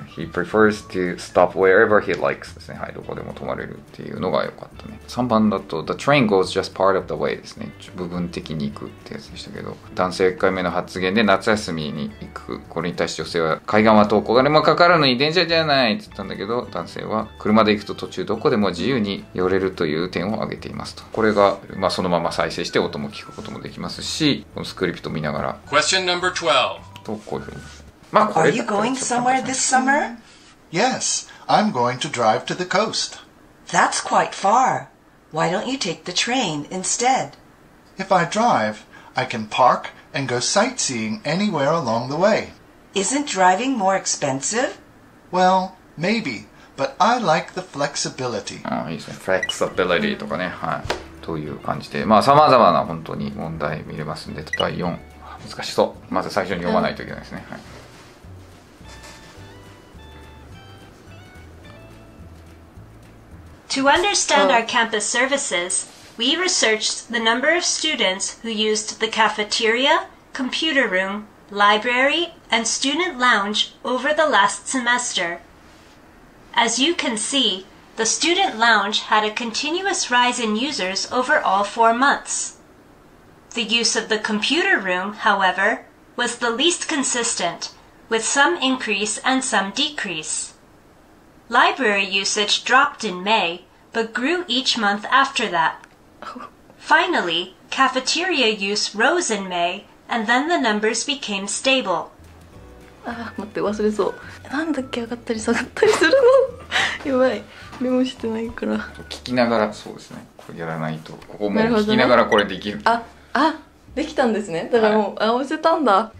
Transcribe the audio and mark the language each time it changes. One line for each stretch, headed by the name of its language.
English: He prefers to stop wherever he likes
Japanese: ですね。はい。どこでも泊まれるっていうのが良かったね。 3番だと、
English: The train goes just part of the way
Japanese: ですね。部分的に行くってやつでしたけど、男性1回目の発言で夏休みに行く。これに対して女性は、海岸は遠くお金もかかるのに電車じゃないって言ったんだけど、男性は、車で行くと途中どこでも自由に寄れるという点を挙げていますと。これが、まあ、そのまま再生して音も聞くこともできますし、このスクリプト見ながら。
English: Question number 12.
Japanese: とこういうふうに、
English: まあ、Are you going somewhere this summer? Yes, I'm going to drive to the coast. That's quite far. Why don't you take the train instead? If I drive, I can park and go sightseeing anywhere along the way. Isn't driving more expensive? Well, maybe, but I like the flexibility.
Japanese: ああ、いいですね。 Flexibility とかね、はい、という感じで、まあ、さまざまな本当に問題見れますんで、第4。難しそう。まず最初に読まないといけないですね。はい。
English: To understand our campus services, we researched the number of students who used the cafeteria, computer room, library, and student lounge over the last semester. As you can see, the student lounge had a continuous rise in users over all 4 months. The use of the computer room, however, was the least consistent, with some increase and some decrease. Library usage dropped in May, but grew each month after that. Finally, cafeteria use rose in May, and then the numbers became stable.
Japanese: Ah, 待って、忘れそう。なんだっけ、上がったり下がったりするの。やばい、メモしてないから。聞きながら、そうですね。これやらないと、ここも聞きながらこれできる。あ、できたんですね。だからもう、はい、あ、教えたんだ。